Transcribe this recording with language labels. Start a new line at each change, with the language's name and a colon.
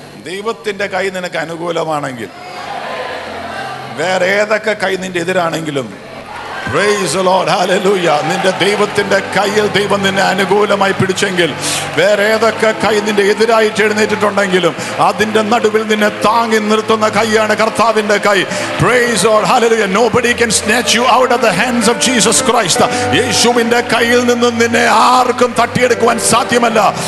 Malayalam: ദൈവത്തിന്റെ കൈ നിനക്ക് അനുകൂലമാണെങ്കിൽ വേറെ ഏതൊക്കെ കൈ നിന്റെ എതിരാണെങ്കിലും
English: Praise the Lord. Hallelujah.
Malayalam: നിന്റെ ദൈവത്തിന്റെ കയ്യിൽ ദൈവം നിന്നെ അനുകൂലമായി പിടിച്ചെങ്കിൽ വേറെ ഏതൊക്കെ കൈ നിന്റെ എതിരായിട്ട് എഴുന്നേറ്റിട്ടുണ്ടെങ്കിലും അതിന്റെ നടുവിൽ നിന്നെ താങ്ങി നിർത്തുന്ന കൈയാണ് കർത്താവിന്റെ കൈ.
English: Praise the Lord. Hallelujah. Nobody can snatch you out of the hands of Jesus Christ.
Malayalam: യേശുവിന്റെ കയ്യിൽ നിന്നും നിന്നെ ആർക്കും തട്ടിയെടുക്കുവാൻ സാധ്യമല്ല.